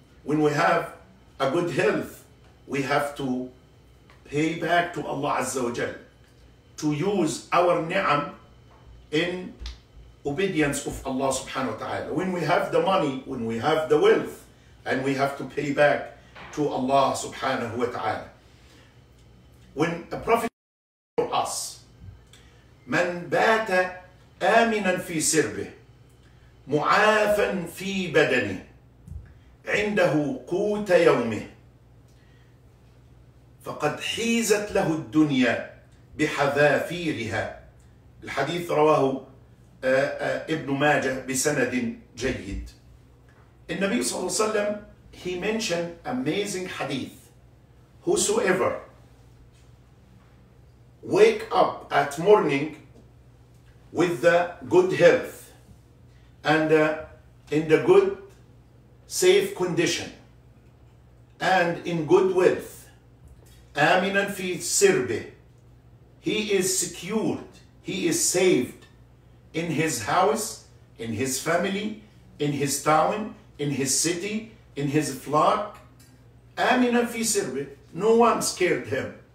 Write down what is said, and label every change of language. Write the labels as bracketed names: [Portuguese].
[English] When we have a good health, we have to pay back to Allah Azza wa Jal, to use our ni'am in obedience of Allah subhanahu wa ta'ala. When we have the money, when we have the wealth, and we have to pay back to Allah subhanahu wa ta'ala. When a prophet told us, [Arabic] من بات آمنا في سربه معافا في بدنه عنده قوت يومه فقد حيزت له الدنيا بحذافيرها. الحديث رواه ابن ماجه بسند جيد. النبي صلى الله عليه وسلم, [English] he mentioned amazing hadith. Whosoever wake up at morning with the good health and in the good safe condition and in good wealth, aminan fi sirbi, he is secured, he is saved in his house, in his family, in his town, in his city, in his flock, aminan fi sirbi, no one scared him.